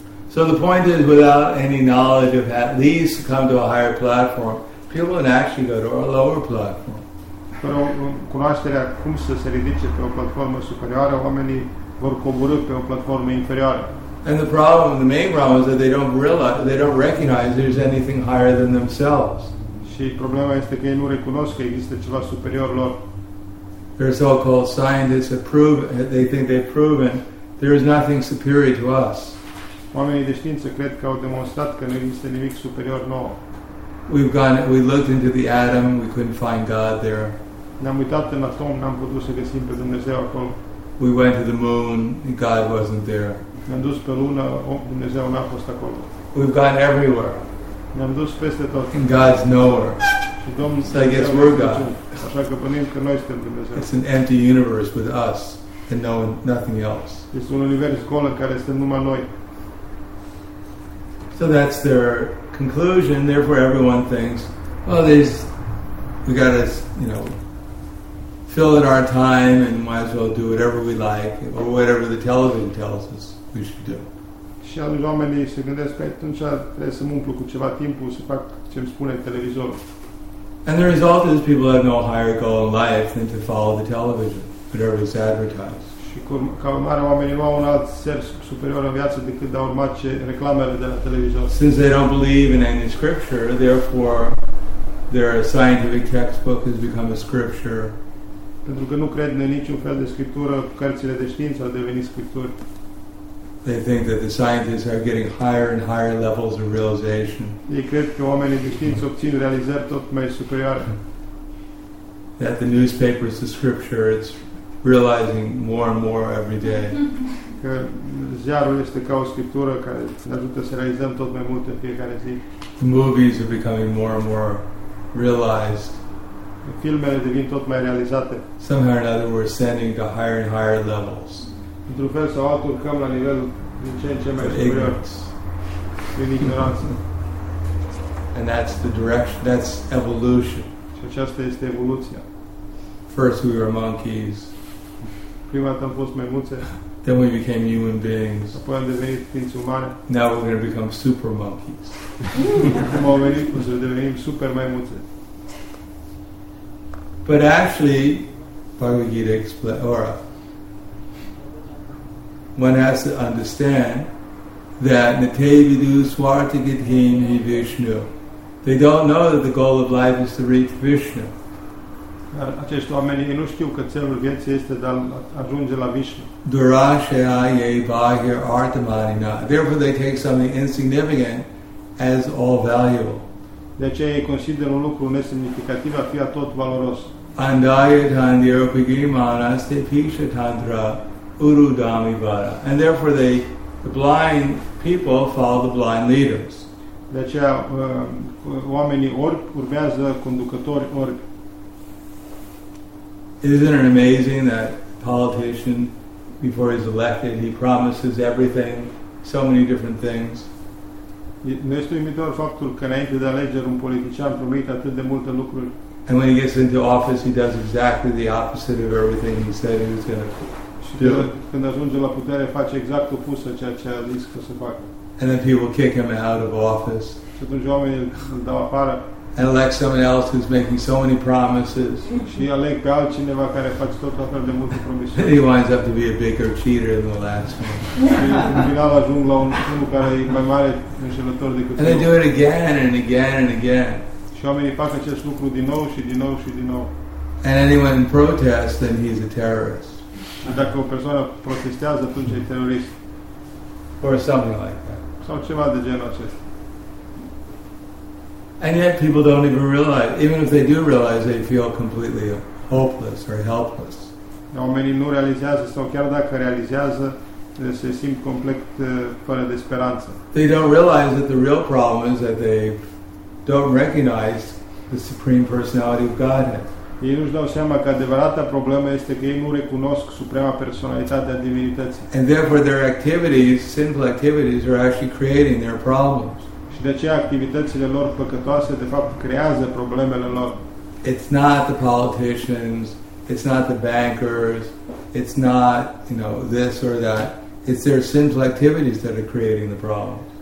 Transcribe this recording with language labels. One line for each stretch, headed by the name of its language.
English: So the point is, without any knowledge of at least come to a higher platform, people can actually go to a lower platform.
Romanian: Fără cunoașterea cum să se ridice pe o platformă superioară, oamenii vor coborî pe o platformă inferioară.
English: And the problem, the main problem, is that they don't realize, they don't recognize there's anything higher than themselves.
Romanian: Și problema este că ei nu recunosc că există ceva superior lor.
English: Their so-called scientists have proven, they think they've proven, there is nothing superior to us.
Romanian: Oamenii de știință cred că au demonstrat că nu există nimic superior nouă.
English: We looked into the atom, we couldn't find God there.
Romanian: Ne-am uitat în atom, n-am putut să găsim pe Dumnezeu acolo.
English: We went to the moon, and God wasn't there.
Romanian: Ne-am dus pe lună, Dumnezeu n-a fost acolo.
English: We've gone everywhere.
Romanian: Ne-am dus peste tot.
English: And God's nowhere.
Romanian: Și Domnul,
English: so I guess we're God.
Romanian: Așa că pănim că noi suntem Dumnezeu.
English: It's an empty universe with us and no one, nothing else.
Romanian: Este un univers gol în care suntem numai noi.
English: So that's their conclusion, therefore everyone thinks, well, there's, we got to, you know, fill in our time and might as well do whatever we like or whatever the television tells us we should do.
Romanian: Și atunci oamenii se gândesc că atunci trebuie să mă umplu cu ceva timp, să fac ce îmi spune televizorul.
English: And the result is people have no higher goal in life than to follow the television, whatever is advertised.
Romanian: Și ca urmare, oamenii nu au un alt ser superior în viață decât de a urma ce reclamele de la televizor.
English: Since they don't believe in any scripture, therefore their scientific textbook has become a scripture.
Romanian: Pentru că nu cred în niciun fel de scriptură, cărțile de știință au devenit scripturi.
English: They think that the scientists are getting higher and higher levels of realization.
Romanian: Ei cred că oamenii de știință obțin realizări tot mai superioare.
English: That the newspaper is the scripture, it's realizing more and more every day.
Romanian: Că ziarul este ca o scriptură care ne ajută să realizăm tot mai mult în fiecare zi.
English: The movies are becoming more and more realized.
Romanian: Filmele devin tot mai realizate.
English: Somehow or another we're ascending to higher and higher levels.
Romanian: Într-un fel sau altul urcăm la nivel din ce în ce mai superior. Prin ignoranță.
English: And that's the direction, that's evolution.
Romanian: Și aceasta este evoluția.
English: First we were monkeys.
Romanian: Prima dată am fost maimuțe.
English: Then we became human beings.
Romanian: Apoi am devenit ființe umane.
English: Now we're going to become super monkeys.
Romanian: Acum am venit, o să devenim super maimuțe.
English: But actually, Bhagavad Gita explains, or one has to understand that Natevidu Swartigithin hi Vishnu. They don't know that the goal of life is to reach Vishnu.
Romanian: Dar acești oameni ei nu știu că țelul vieții este de a ajunge la Vishnu. Durashaya ye bahir artamanina.
English: Therefore they take something insignificant as all valuable.
Romanian: De aceea ei consideră un lucru nesemnificativ a fi tot valoros. Andayatan dhyopigimana ste pisha tantra urudami vara.
English: And therefore they, the blind people follow the blind leaders.
Romanian: De aceea oamenii orbi urmează conducători orbi.
English: Isn't it amazing that politician, before he's elected, he promises everything, so many different things?
Romanian: Nu este uimitor faptul că înainte de alegeri un politician promite atât de multe lucruri.
English: And when he gets into office, he does exactly the opposite of everything he said he was going to do.
Romanian: Când ajunge la putere, face exact opus a ceea ce a zis că se facă.
English: And then people kick him out of office.
Romanian: Și atunci oamenii îl dau afară.
English: And elect someone else who's making so many promises.
Romanian: Și aleg pe altcineva care face tot atât de multe promisiuni.
English: And he winds up to be a bigger cheater than the last one.
Romanian: Și în final ajung la unul care e mai mare înșelător decât celălalt.
English: And they do it again and again and again.
Romanian: Și oamenii fac acest lucru din nou și din nou și din nou.
English: And anyone protests, then he's a terrorist.
Romanian: Și dacă o persoană protestează, atunci e terorist.
English: Or something like that.
Romanian: Sau ceva de genul acesta.
English: And yet people don't even realize, even if they do realize, they feel completely hopeless or helpless.
Romanian: Oamenii nu realizează sau chiar dacă realizează, se simt complet fără de speranță.
English: They don't realize that the real problem is that they don't recognize the Supreme Personality of Godhead.
Romanian: Ei nu-și dau seama că adevărata problemă este că ei nu recunosc Suprema Personalitate a Divinității.
English: And therefore their activities, sinful activities, are actually creating their problems.
Romanian: Și de aceea activitățile lor păcătoase de fapt creează problemele lor.
English: It's not the politicians, it's not the bankers, it's not, you know, this or that. It's their sinful activities that are creating the problems.